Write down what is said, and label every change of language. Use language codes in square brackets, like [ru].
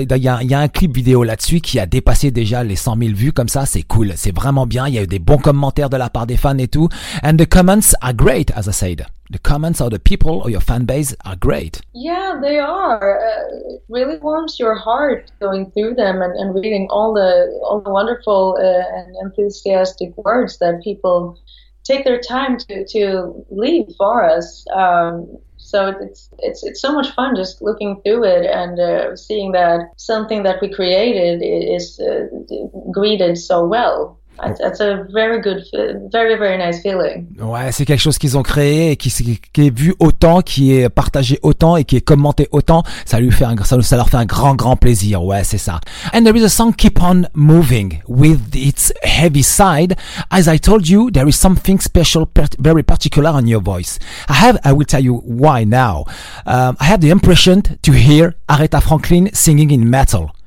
[fr] Il y a un clip vidéo là-dessus qui a dépassé déjà les 100 000 vues. Comme ça, c'est cool. C'est vraiment bien. Il y a eu des bons commentaires de la part des fans et tout. [en] And the comments are great, as I said. The comments of the people or your fan base are great. Yeah, they are. It really warms your heart going through them and reading all the wonderful and enthusiastic words that people take their time to leave for us. So it's so much fun just looking through it and seeing that something that we created is greeted so well. That's a very good, very, very nice feeling. [fr] Ouais, c'est quelque chose qu'ils ont créé et qui est vu autant, qui est partagé autant et qui est commenté autant. Ça leur fait un grand, grand plaisir. Ouais, c'est ça. [en] And there is a song Keep On Moving with its heavy side. As I told you, there is something special, very particular on your voice. I will tell you why now. I have the impression to hear Aretha Franklin singing in metal.